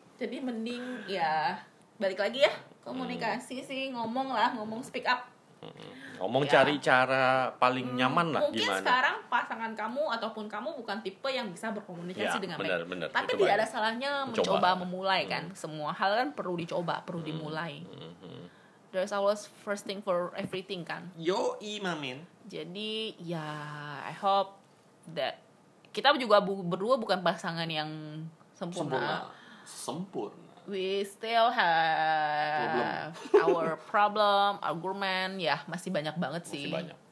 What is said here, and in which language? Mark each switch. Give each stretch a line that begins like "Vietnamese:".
Indonesian: Jadi mending ya balik lagi ya, komunikasi sih, ngomong lah, ngomong, speak up. Ngomong ya. Cari cara paling nyaman lah. Mungkin gimana? Sekarang pasangan kamu ataupun kamu bukan tipe yang bisa berkomunikasi ya, dengan baik. Benar. Tapi itu tidak baik. Ada salahnya mencoba memulai kan. Semua hal kan perlu dicoba, perlu dimulai.
English: There's always first thing for everything kan. Yo, imamin.
Indonesian: Jadi ya
English: I hope that
Indonesian: kita juga berdua bukan pasangan yang sempurna.
English: We still have our problem, argument,
Indonesian: ya masih banyak banget sih. Masih banyak.